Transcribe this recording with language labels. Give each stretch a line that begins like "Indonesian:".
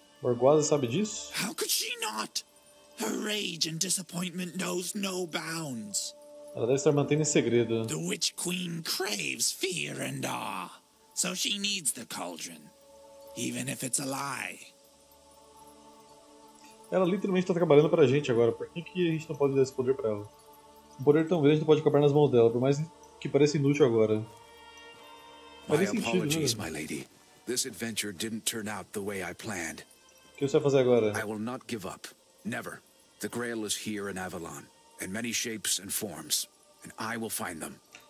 Portuguese: Warguaza sabe disso?
English: How could she not? Her rage and disappointment knows no bounds.
Portuguese: Ela deve estar mantendo em segredo.
English: The Witch Queen craves fear and awe, so she needs the cauldron, even if it's a lie.
Portuguese: Ela literalmente está trabalhando para a gente agora. Por que que a gente não pode dar esse poder para ela? Um poder tão grande não pode acabar nas mãos dela, por mais que pareça inútil agora. Parece sentido, né?
English: My apologies, my lady. This adventure didn't turn out the way I planned.
Portuguese: O que você vai fazer agora?
English: I will not give up. Never. The Grail is here in Avalon, in many shapes and forms, and I will find them.